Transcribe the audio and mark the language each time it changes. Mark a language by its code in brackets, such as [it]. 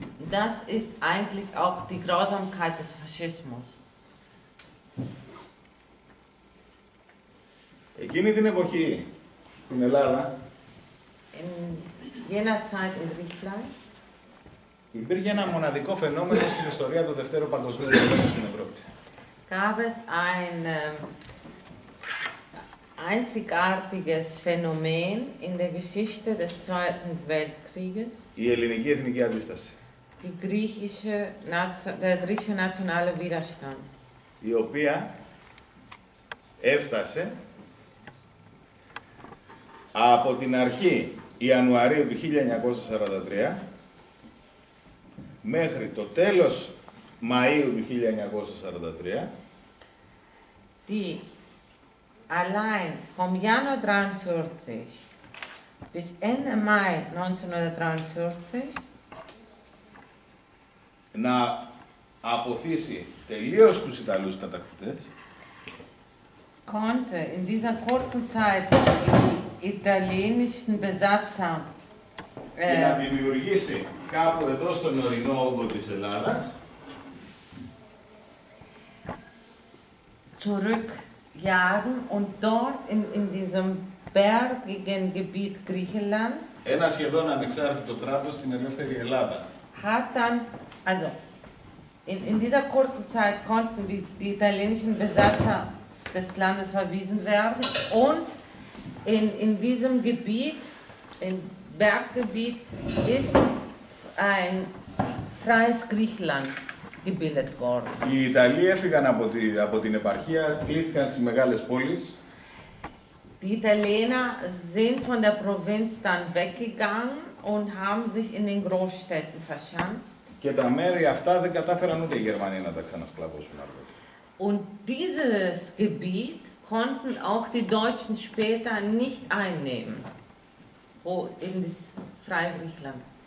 [de] Das ist eigentlich auch die Grausamkeit des Faschismus. [el] Εκείνη την εποχή στην Ελλάδα, [de] in jener Zeit in Griechenland, [el] υπήρχε ένα μοναδικό φαινόμενο στην ιστορία του Δευτέρου Παγκοσμίου Πολέμου στην Ευρώπη. [de] Gab es ein einzigartiges Phänomen in der Geschichte des Zweiten Weltkrieges? [el] Η ελληνική εθνική αντίσταση. [de] Die griechische, der griechische nationale Widerstand. [el] Η οποία έφτασε από την αρχή Ιανουαρίου του 1943 μέχρι το τέλος Μαΐου του 1943. [de] Die allein vom Januar 43 bis Ende Mai 1943 [el] να αποθήσει τελείως τους Ιταλούς κατακτητές. [de] Konnte in dieser kurzen Zeit die italienischen Besatzer [el] να δημιουργήσει κάπου εδώ στον ορεινό όγκο της Ελλάδας [de] zurückjagen und dort in diesem bergigen Gebiet Griechenlands [el] ένα σχεδόν ανεξάρτητο κράτος στην ελεύθερη Ελλάδα. [de] Hat dann, also, in dieser kurzen Zeit konnten die italienischen Besatzer des Landes verwiesen werden und in diesem Gebiet, im Berggebiet, ist ein freies Griechenland gebildet worden. [el] Οι Ιταλοί έφυγαν από την επαρχία, κλείστηκαν στις μεγάλες πόλεις. [de] Die Italiener sind von der Provinz dann weggegangen und haben sich in den Großstädten verschanzt. [el] Και τα μέρη αυτά δεν κατάφεραν ούτε οι Γερμανοί να τα ξανασκλαβώσουν αργότερα. [de] Und dieses Gebiet konnten auch die Deutschen später nicht einnehmen, wo in das freie Griechenland